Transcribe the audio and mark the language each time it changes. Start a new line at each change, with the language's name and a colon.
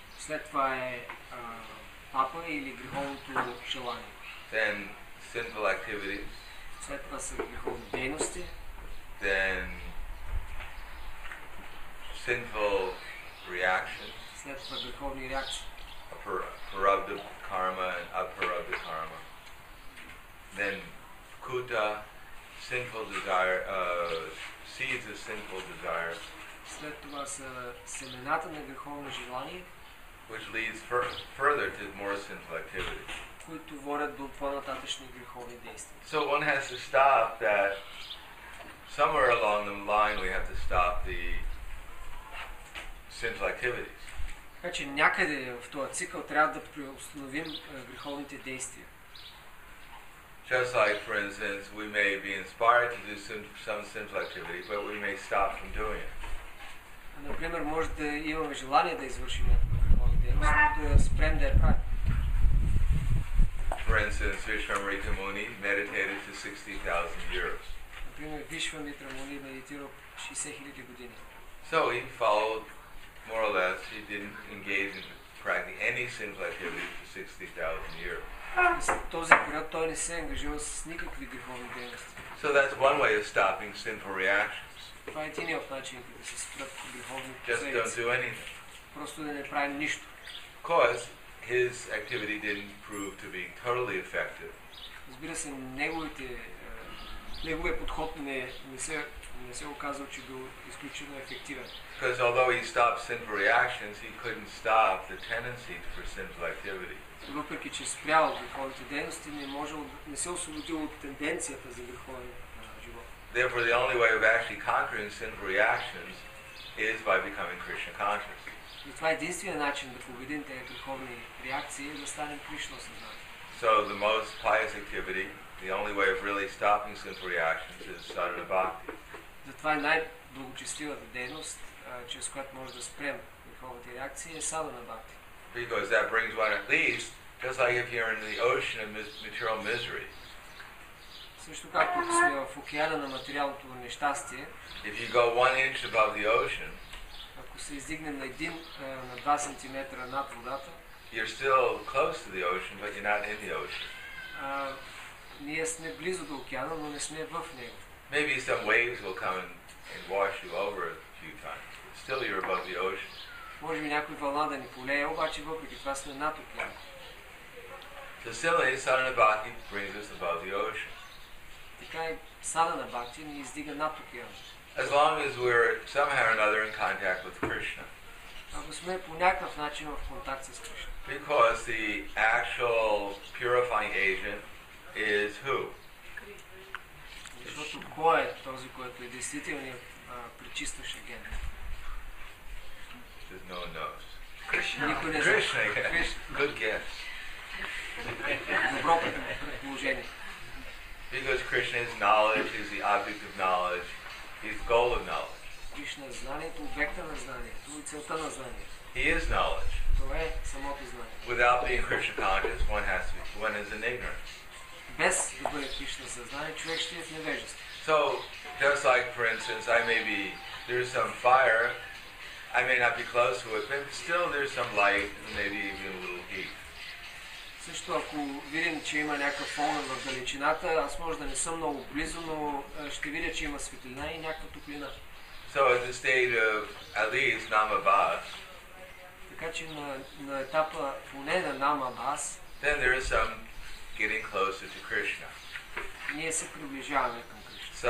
Bulgarian: След това е папа или греховното желание.
English: Then sinful activities.
Bulgarian: След това са греховни дейности.
English: Then sinful reactions.
Bulgarian: След това греховни реакции.
English: Prarabdha karma and aprarabdha karma. Then kuta. Sinful desire, seeds of sinful desire.
Bulgarian: След това са семената на греховно желание.
English: Which leads further to more sinful activity.
Bulgarian: Които водят до по-нататъчни греховни действия.
English: So one has to stop that. Somewhere along the line, we have to stop the sinful activities.
Bulgarian: Значи някъде в този цикъл трябва да преустановим греховните действия.
English: Just like, for instance, we may be inspired to do some sinful activity, but we may stop from doing it.
Bulgarian: Например, може да имаме желание да извършим някаква дейност, но да спрем да я правим.
English: For instance, Vishwamitra Muni meditated for 60,000 years.
Bulgarian: Например, Вишвамитра Муни медитирал 60,000 години.
English: So he followed, more or less, he didn't engage in practicing any sinful activity for 60,000 years.
Bulgarian: Този период той не се ангажира с никакви греховни дейности.
English: So that's one way of stopping sinful reactions.
Bulgarian: Това е един от начините да се спрат греховни последици.
English: Just don't do anything.
Bulgarian: Просто да не правим нищо.
English: Because his activity didn't prove to be totally effective.
Bulgarian: Разбира се, неговия подход не се оказал, че бил изключително ефективен.
English: Because although he stopped sinful reactions, he couldn't stop the tendency for sinful activity.
Bulgarian: Въпреки че спрял греховните дейности, не се освободил от тенденцията за греховен живот.
English: Therefore, the only way of actually conquering sinful reactions is by becoming Krishna conscious.
Bulgarian: И това е единственият начин да победим тези греховни реакции, да станем Кришна съзнателни.
English: So the most pious activity, the only way of really stopping sinful reactions is sadhana bhakti.
Bulgarian: Затова е най-благочестивата дейност, чрез която може да спрем греховните реакции, е садхана бхакти.
English: Because that brings one at least, just like if you're in the ocean of material misery.
Bulgarian: Също както сме в океана на материалното нещастие.
English: If you go one inch above the ocean,
Bulgarian: ако се издигнем на 2 сантиметра над водата,
English: you're still close to the ocean, but you're not in the ocean.
Bulgarian: Ние сме близо до океана, но не сме в него.
English: Maybe some waves will come and wash you over a few times. Still you're above the ocean.
Bulgarian: Може би някой вълна да ни полее, обаче въпреки това сме над океана.
English: So similarly, sadhana bhakti brings us above the ocean.
Bulgarian: Така и sadhana bhakti ни издига над океана.
English: As long as we're somehow or another in contact with Krishna.
Bulgarian: Ако сме по някакъв начин в контакт с Кришна.
English: Because the actual purifying agent is who?
Bulgarian: Защото кой е този, който е действителният пречистващ агент?
English: Because no one knows. Krishna. Good guess.
Bulgarian: Добро предположение.
English: Because Krishna is knowledge, is the object of knowledge, he's the goal of knowledge.
Bulgarian: Krishna е знанието, обекта на знанието и целта на знанието.
English: He is knowledge.
Bulgarian: Това е самото знание.
English: Without being Krishna conscious, one has to be, one is an ignorant.
Bulgarian: Без да бъде Кришна съзнание, човек ще е в невежество.
English: So, just like, for instance, I may be, there's some fire, I may not be close to it, but still there's some light, maybe even a little heat.
Bulgarian: Също ако видим, че има някакъв фонът в далечината, аз може да не съм много близо, но ще видя, че има светлина и някаква топлина.
English: So, at the state of, at least, Namabhas,
Bulgarian: така че на етапа поне на Namabhas,
English: then there is some getting closer to Krishna.
Bulgarian: Ние се приближаваме към Кришна.